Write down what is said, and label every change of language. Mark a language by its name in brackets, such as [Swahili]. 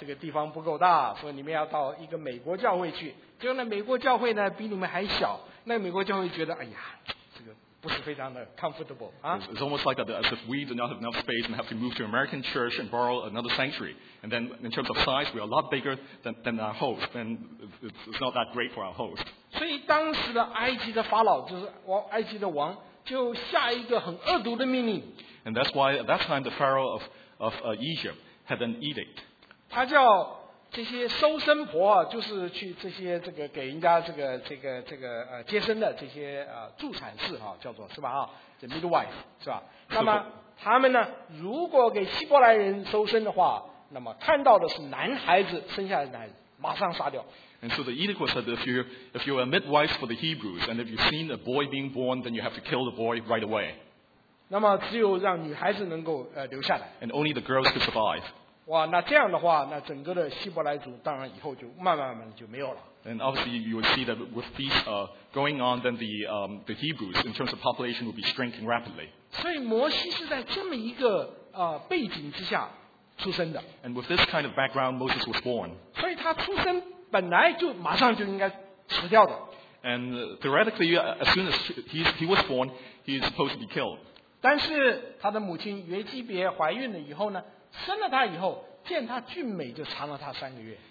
[Chinese] 就好像假如说你们教会啊这个地方不够大，说你们要到一个美国教会去。结果那美国教会呢比你们还小，那美国教会觉得哎呀，这个不是非常的 comfortable 啊。 [English] It's almost like that, as if we do not have enough space and have to move to American church and borrow another sanctuary. And then in terms of size, we are a lot bigger than our host. Then it's not that great for our host. [Chinese] 所以当时的埃及的法老就是埃及的王就下一个很恶毒的命令。 [English] And that's why at that time the Pharaoh of Egypt had an edict. [Chinese] 他叫 这些收生婆就是去这些给人家接生的这些助产士叫做是吧 midwife 是吧？那么他们呢，如果给希伯来人收生的话，那么看到的是男孩子生下来的男孩子，马上杀掉。 [English] And so the edict was that if you're a midwife for the Hebrews, and if you've seen a boy being born, then you have to kill the boy right away. [Chinese] 那么只有让女孩子能够留下来。 [English] And only the girls could survive. [Chinese] 哇，那这样的话，那整个的希伯来族当然以后就慢慢就没有了。 [English] And obviously you would see that with these going on, then the Hebrews in terms of population would be shrinking rapidly. [Chinese] 所以摩西是在这么一个背景之下出生的。 [English] And with this kind of background, Moses was born. [Chinese] 所以他出生本来就马上就应该死掉的。 [English] And theoretically, as soon as he was born, he is supposed to be killed. [Chinese] 但是他的母亲约基别怀孕了以后呢，生了他以后，见他俊美就藏了他三个月。